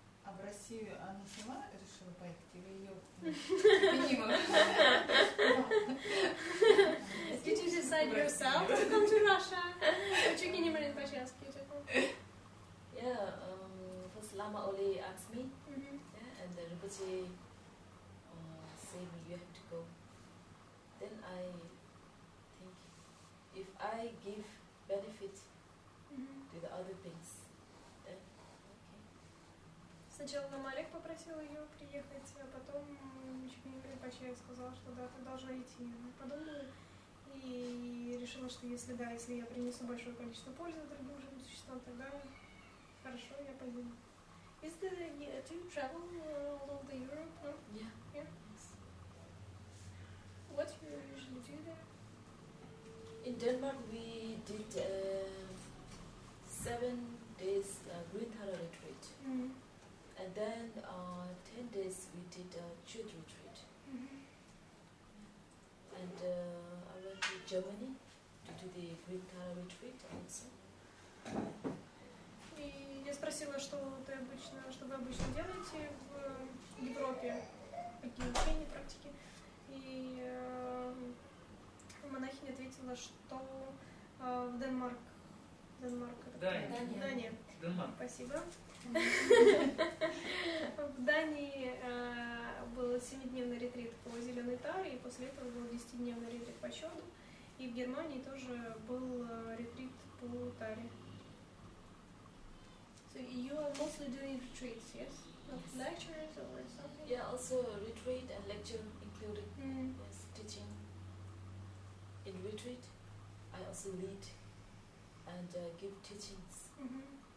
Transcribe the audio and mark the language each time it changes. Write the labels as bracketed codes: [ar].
[ru] А в Россию она сама решила поехать или ее мимо? [en] Did you decide yourself to come to Russia? Чуки не мерит по-чески. Yeah, first Lama Oli asked me, yeah, and the Rinpoche said, you have to go. Then I think, if I give benefit to the other things, [ru] сначала нам Олег попросил ее приехать, а потом Чукни Ринпоче сказала, что да, ты должна идти. Я подумала и решила, что если да, если я принесу большое количество пользы другим живым существам, тогда хорошо, я пойду. [en] Is there any, do you travel all over Europe? No? Yeah. Yeah? Yes. What you usually do there? In Denmark we did 7 days Green Tara retreat. Mm-hmm. And then 10 days we did a church retreat. Mm-hmm. And I went to Germany to do the Green Tara retreat also. [ru] И я спросила, что вы обычно делаете в Европе, какие учения, практики. И монахиня ответила, что в Денмарк. Денмарк это Дания. Денмарк. Спасибо. В Дании был 7-дневный ретрит по зеленой таре, и после этого был 10-дневный ретрит по чёду. И в Германии тоже был ретрит по таре. [en] So you are mostly doing retreats, yes? Yes. Lectures or something? Yeah, also retreat and lecture included. Mm. Yes, teaching. In retreat, I also lead and give teachings. Mm-hmm.